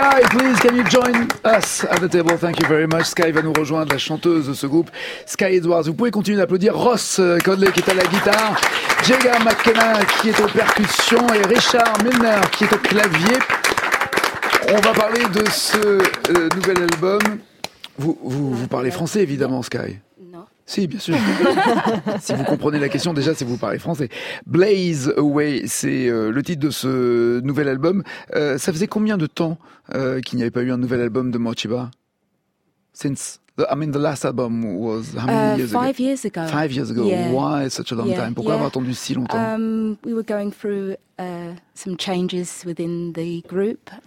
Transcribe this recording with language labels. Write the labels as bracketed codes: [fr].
[en] Please, can you join us at the table? Thank you very much. [fr] Sky va nous rejoindre, la chanteuse de ce groupe, Sky Edwards. Vous pouvez continuer d'applaudir Ross Conley qui est à la guitare, Jega McKenna qui est aux percussions et Richard Milner qui est au clavier. On va parler de ce nouvel album. Vous parlez français évidemment, Sky? Non. Si, bien sûr. Si vous comprenez la question, déjà, c'est vous parlez français. Blaze Away, c'est le titre de ce nouvel album. Ça faisait combien de temps qu'il n'y avait pas eu un nouvel album de Mochiba? [en] The last album was how many years ago? 5 years ago. 5 years ago. Yeah. Why such a long time? [fr] Pourquoi avoir attendu si longtemps? [en] We were going through some changes within the group.